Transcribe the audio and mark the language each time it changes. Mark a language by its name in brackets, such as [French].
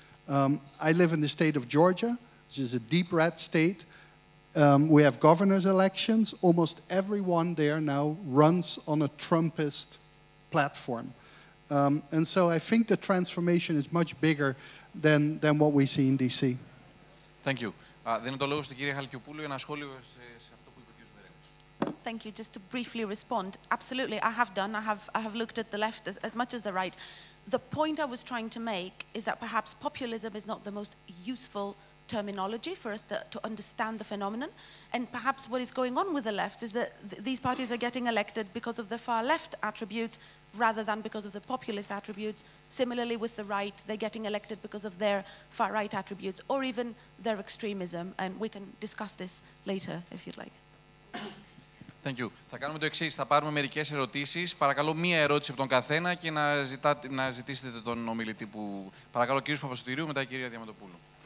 [English] I live in the state of Georgia, which is a deep red state. We have governor's elections. Almost everyone there now runs on a Trumpist platform. And so I think the transformation is much bigger than what we see in D.C. Thank you. [Greek] Δίνω το λόγο στην κυρία Χαλκιοπούλου για ένα σχόλιο σε αυτό που είπε ο κύριος [English] Βερέμης. Thank you. Just to briefly respond, absolutely, I have done. I have looked at the left as much as the right. The point I was trying to make is that perhaps populism is not the most useful terminology for us to understand the phenomenon, and perhaps what is going on with the left is that these parties are getting elected because of the far left attributes rather than because of the populist attributes. Similarly with the right, they're getting elected because of their far right attributes or even their extremism, and we can discuss this later if you'd like. Thank you. [Greek] Θα κάνουμε το εξής. Θα πάρουμε μερικές ερωτήσεις. Παρακαλώ μία ερώτηση από τον καθένα και να ζητήσετε τον ομιλητή που... Παρακαλώ κύριος Παπασωτηρίου, μετά κυρία Διαμαντοπούλου.